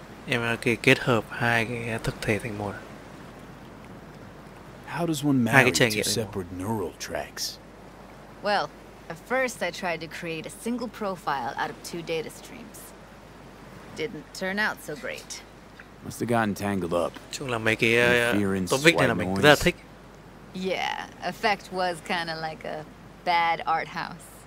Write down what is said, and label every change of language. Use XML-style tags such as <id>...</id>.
<vi>Em cái kết hợp hai cái thực thể thành một.</vi> <en>How does one marry two separate neural tracks? Well, at first I tried to create a single profile out of two data streams. Didn't turn out so great. Must have gotten tangled up.</en> <vi>Chung là mấy cái topic này là mình rất là thích.</vi> <en>Yeah, effect was kind of like a bad art house.</en>